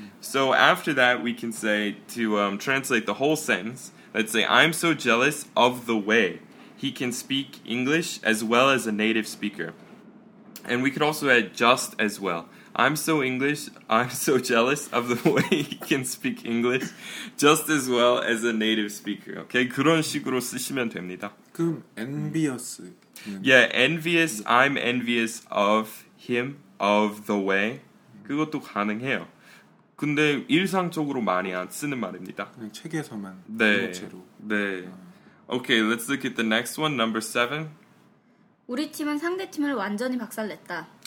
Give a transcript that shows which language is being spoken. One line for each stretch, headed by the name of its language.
English: So after that, we can say to translate the whole sentence, let's say, I'm so jealous of the way he can speak English as well as a native speaker. And we could also add just as well. I'm so jealous of the way he can speak English just as well as a native speaker. Okay?
Korean: 그런 식으로 쓰시면 됩니다. 그럼 envious.
English: Yeah, envious. I'm envious of him, of the way.
Korean: 그것도 가능해요. 근데 일상적으로 많이 안 쓰는 말입니다. 그냥 책에서만. 네. 대체로. 네.
English: Okay, let's look at the next one, number 7.
Korean: 우리 팀은 상대 팀을 완전히 박살냈다.